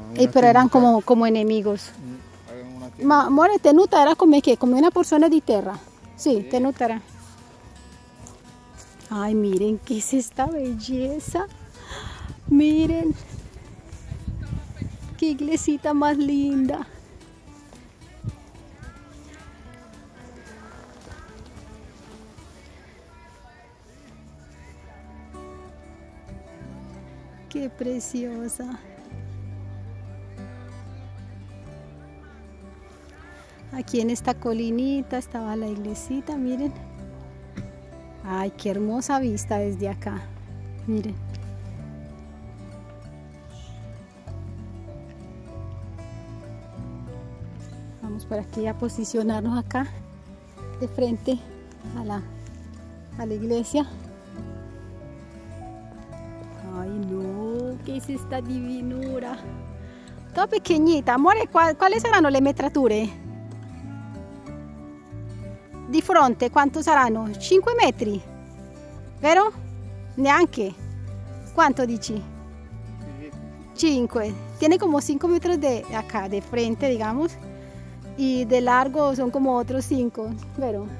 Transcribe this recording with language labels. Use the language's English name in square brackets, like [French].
[Italian] Però erano come enemigos. Ma amore, tenuta era come che? Come una porzione di terra. Sì, sì. Tenuta era. [Spanish] Ay, miren qué es esta belleza. Miren. Qué iglesita más linda. Qué preciosa. Aquí en esta colinita estaba la iglesita, miren. Ay, qué hermosa vista desde acá. Miren. Vamos por aquí a posicionarnos acá, de frente a la iglesia. Ay, no, qué es esta divinura. Toda pequeñita, amore, ¿cuáles serán las metraturas? [Italian] Di fronte quanto saranno? 5 metri, vero? Neanche. Quanto dici? 5. Tiene come 5 metri di acá, di frente, digamos. E di largo sono come altri 5, vero?